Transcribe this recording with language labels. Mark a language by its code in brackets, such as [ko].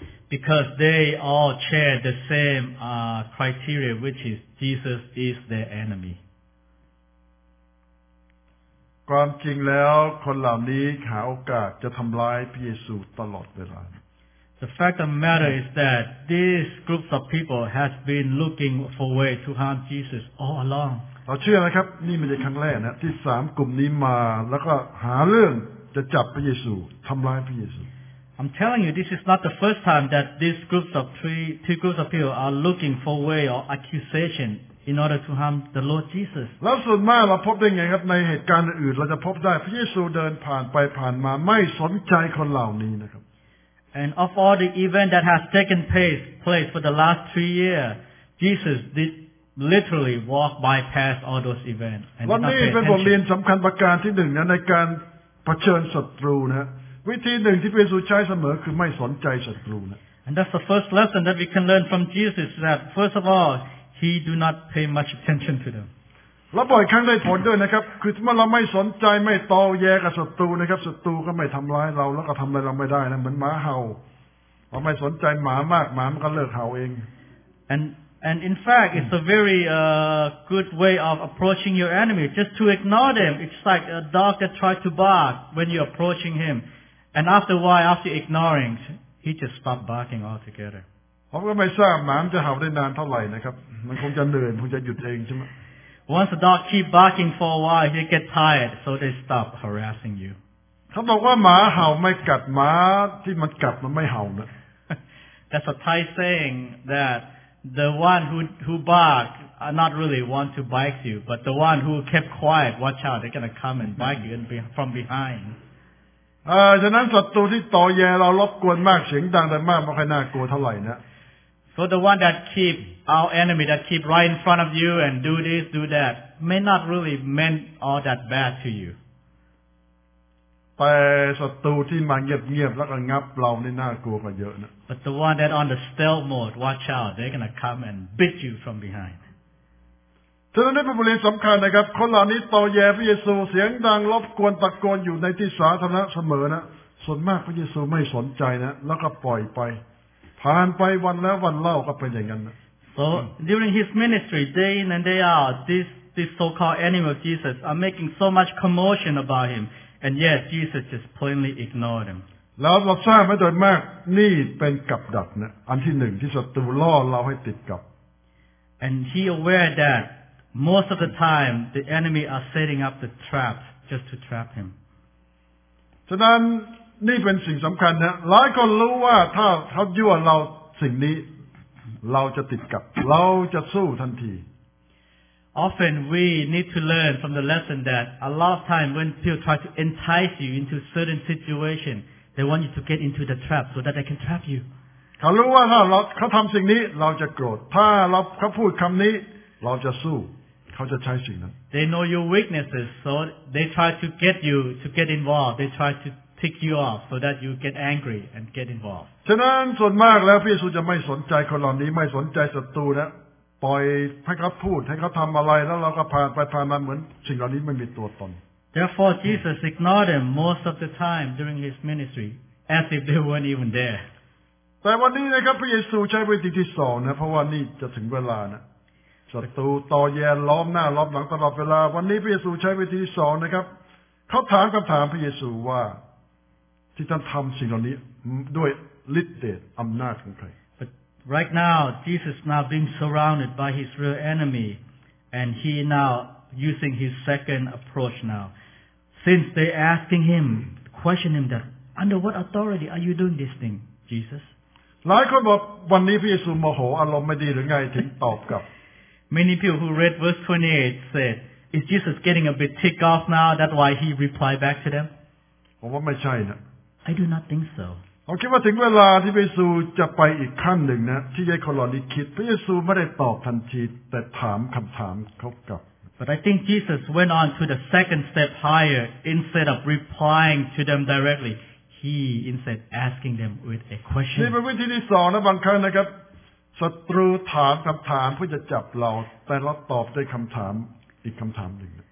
[en] Because they all share the same criteria, which is Jesus is their enemy. [th] ความจริงแล้วคนเหล่านี้หาโอกาสจะทำลายพระเยซูตลอดเวลา [en] The fact of the matter is that these groups of people has been looking for a way to harm Jesus all along [th] เราเชื่อนะครับนี่ไม่ใช่ครั้งแรกนะที่สามกลุ่มนี้มาแล้วก็หาเรื่องจะจับพระเยซูทำลายพระเยซู [en] I'm telling you this is not the first time that these groups of two groups of people are looking for a way or accusationin order to harm the Lord Jesus. [th] แล้วส่วนมากเราพบได้ไงครับในเหตุการณ์อื่นเราจะพบได้พระเยซูเดินผ่านไปผ่านมาไม่สนใจคนเหล่านี้นะครับ [en] And of all the event that has taken place for the last 3 years, Jesus did literally walk bypass all those events. [th] วันนี้เป็นบทเรียนสำคัญประการที่หนึ่งนะในการเผชิญศัตรูนะวิธีหนึ่งที่พระเยซูใช้เสมอคือไม่สนใจศัตรูนะ [en] And that's the first lesson that we can learn from Jesus that first of allHe do not pay much attention to them. [th] แล้วบ่อยครั้งได้ผลด้วยนะครับคือเมื่อเราไม่สนใจไม่ตอแยกับศัตรูนะครับศัตรูก็ไม่ทำร้ายเราแล้วก็ทำอะไรเราไม่ได้นะเหมือนหมาเห่าเราไม่สนใจหมามากหมามันก็เลิกเห่าเอง [en] And in fact, it's a very good way of approaching your enemy. Just to ignore them, it's like a dog that tries to bark when you're approaching him. And after a while, after ignoring, he just stops barking altogether. [th] ผมก็ไม่ทราบหมามันจะเห่าได้นานเท่าไหร่นะครับมันคงจะเหนื่อยคงจะหยุดเองใช่ไหม [en] Once the dog keep barking for a while, they get tired, so they stop harassing you. [th] เขาบอกว่าหมาเห่าไม่กัดหมาที่มันกัดมันไม่เห่านะ [en] That's a Thai saying that the one who bark are not really want to bite you, but the one who kept quiet, watch out, they're gonna come and bite you from behind. [th] ฉะนั้นศัตรูที่ต่อแย่เรารบกวนมากเสียงดังแต่มากไม่ค่อยน่ากลัวเท่าไหร่นะ [en] So the one that keep our enemy that keep right in front of you and do this do that may not really mean all that bad to you [th] แต่ศัตรูที่มาเงียบๆแล้วก็งับเรานี่น่ากลัวกว่าเยอะนะ [en] But the one that on the stealth mode watch out they're gonna come and bit you from behind [th] ฉะนั้นนี่เป็นบทเรียนสำคัญนะครับคนเหล่านี้ต่อแย่พระเยซูเสียงดังรบกวนตะโกนอยู่ในที่สาธารณะเสมอนะส่วนมากพระเยซูไม่สนใจนะแล้วก็ปล่อยไปผ่านไปวันแล้ววันเล่าก็เป็นอย่างนั้นนะ [en] So during his ministry day in and day out these these so-called enemy of Jesus are making so much commotion about him, and yet Jesus just plainly ignored him. [th] แล้วเราทราบไหมโดยมากนี่เป็นกับดักนะอันที่หนึ่งที่ศัตรูล่อเราให้ติดกับ [en] And he aware that most of the time the enemy are setting up the trap just to trap him. [th] ฉะนั้นนี่เป็นสิ่งสำคัญนะหลายคนรู้ว่าถ้าเขายั่วเราสิ่งนี้เราจะติดกับเราจะสู้ทันที [en] Often we need to learn from the lesson that a lot of time when people try to entice you into certain situation they want you to get into the trap so that they can trap you. [th] เขารู้ว่าถ้าเขาทำสิ่งนี้เราจะโกรธถ้าเขาพูดคำนี้เราจะสู้เขาจะใช้สิ่งนั้น [en] They know your weaknesses so they try to get you to get involved they try to pick you off so that you get angry and get involved [th] ฉะนั้นส่วนมากแล้วพระเยซูจะไม่สนใจคนเหล่านี้ไม่สนใจศัตรูนะปล่อยให้เขาพูดให้เขาทำอะไรแล้วเราก็ผ่านไปผ่านมาเหมือนสิ่งเหล่านี้ไม่มีตัวตน [en] Therefore Jesus ignored them most of the time during his ministry as if they weren't even there [th] แต่วันนี้นะครับพระเยซูใช้วิธีที่สองนะเพราะว่านี่จะถึงเวลานะศัตรูต่อแยล้อมหน้าล้อมหลังตลอดเวลาวันนี้พระเยซูใช้วิธีที่สองนะครับเขาถามคำถามพระเยซูว่าที่ท่านทำสิ่งเหล่านี้ด้วยฤทธิ์เดชอำนาจของใคร [en] But right now Jesus now being surrounded by his real enemy and he now using his second approach now since they asking him question him that under what authority are you doing this thing Jesus [th] หลายคนบอกวันนี้พระเยซูโมโหอารมณ์ไม่ดีหรือไงถึงตอบกลับ [en] Many people who read verse 28 said, is Jesus getting a bit ticked off now? That's why he replied back to them? [th] ผมว่าไม่ใช่นะ [en] I do not think so. [th] ผมคิดว่าถึงเวลาที่พระเยซูจะไปอีกขั้นหนึ่งนะที่ให้คนเหล่านี้คิดพระเยซูไม่ได้ตอบทันทีแต่ถามคำถามเขากลับ [en] But I think Jesus went on to the second step higher instead of replying to them directly. He instead asking them with a question. [th] นี่เป็นวิธีที่สองนะบางครั้งนะครับศัตรูถามคำถามเพื่อจะจับเราแต่เราตอบด้วยคำถามอีกคำถามหนึ่ง